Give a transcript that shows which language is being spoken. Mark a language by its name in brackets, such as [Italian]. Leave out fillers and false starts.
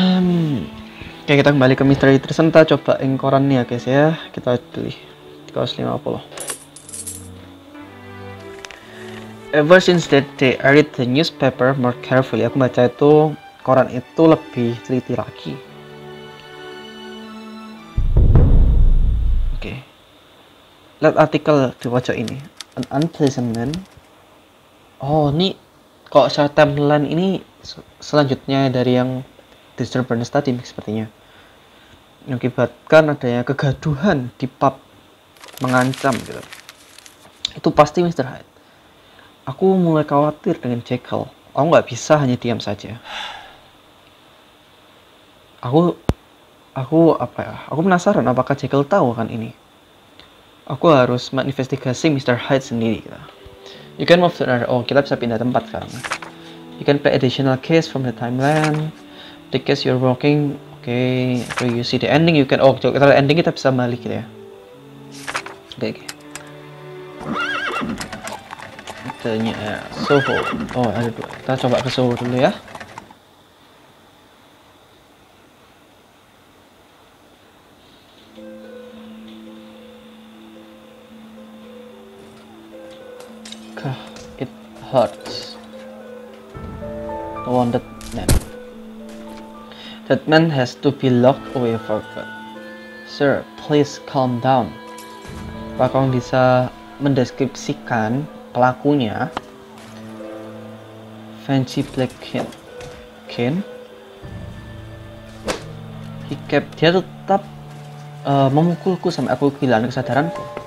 [Indonesian] Oke, kita kembali ke misteri tersentak. Coba ing koran nih ya guys ya. Kita pilih 350. [English] Ever since that day, I read the newspaper more carefully. [Indonesian] Aku baca itu koran itu lebih teliti lagi. Oke. Lihat artikel di pojok ini. [English] An unpleasant man. [Indonesian] Oh, ini kok saya timeline ini selanjutnya dari yang disturbance tadi sepertinya. Mengakibatkan adanya kegaduhan di pub, mengancam gitu. Itu pasti Mr. Hyde. Aku mulai khawatir dengan Jekyll. Aku nggak bisa hanya diam saja. Aku penasaran apakah Jekyll tahu kan ini. Aku harus menginvestigasi Mr. Hyde sendiri. Gitu. [English] You can move to another. [Indonesian] Oh, kita bisa pindah tempat sekarang. [English] You can play additional case from the timeline. The case you're working. Oke, okay, so you see the ending, you can... [Indonesian] Oh, kita lihat ending, kita bisa balik gitu ya. [English] Oke. [Indonesian] Tanya ya, Soho. Oh, ada dua. Kita coba ke Soho dulu ya. [English] It hurts. The wounded man. That man has to be locked away for good. Sir, please calm down. [Indonesian] Apakah kamu bisa mendeskripsikan pelakunya? [English] Fancy Black Kin. Kin? He kept... [Indonesian] Dia tetap memukulku sampai aku kehilangan kesadaranku.